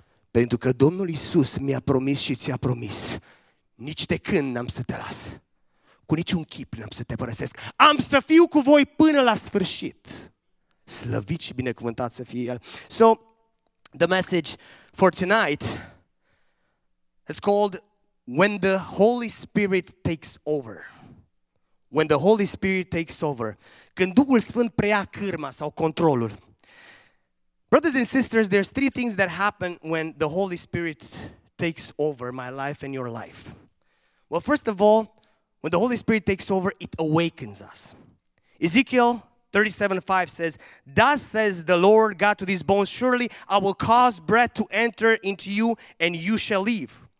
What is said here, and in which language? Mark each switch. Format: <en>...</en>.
<ro>Pentru că Domnul Iisus mi-a promis și ți-a promis. Nici de când n-am să te las. Cu niciun chip n-am să te părăsesc. Am să fiu cu voi până la sfârșit. Slăvit și binecuvântat să fie El.</ro> <en>So, the message for tonight is called When the Holy Spirit Takes Over. When the Holy Spirit Takes Over.</en> <ro>Când Duhul Sfânt preia cârma sau controlul.</ro> <en>Brothers and sisters, there's three things that happen when the Holy Spirit takes over my life and your life. Well, first of all, when the Holy Spirit takes over, it awakens us. Ezekiel 37:5 says, "Thus says the Lord God to these bones, surely I will cause breath to enter into you and you shall live."</en>